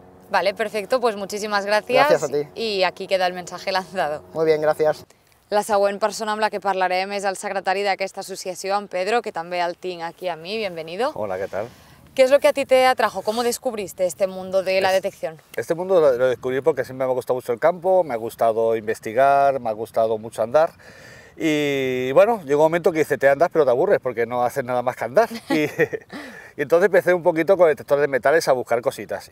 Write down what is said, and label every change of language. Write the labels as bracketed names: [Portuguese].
[Spanish] Vale, perfecto, pues muchísimas gracias. Gracias a ti. Y aquí queda el mensaje lanzado. Muy bien, gracias. [Catalan] La següent persona amb la que parlarem és el secretari d'aquesta associació, en Pedro, que també el tinc aquí a mi, [Spanish] bienvenido. Hola, ¿qué tal? ¿Qué es lo que a ti te atrajo? ¿Cómo descubriste este mundo de la detección? Este mundo lo descubrí porque siempre me ha gustado mucho el campo, me ha gustado investigar, me ha gustado mucho andar. Y bueno, llegó un momento que dice, te andas pero te aburres porque no haces nada más que andar. Y entonces empecé un poquito con detectores de metales a buscar cositas.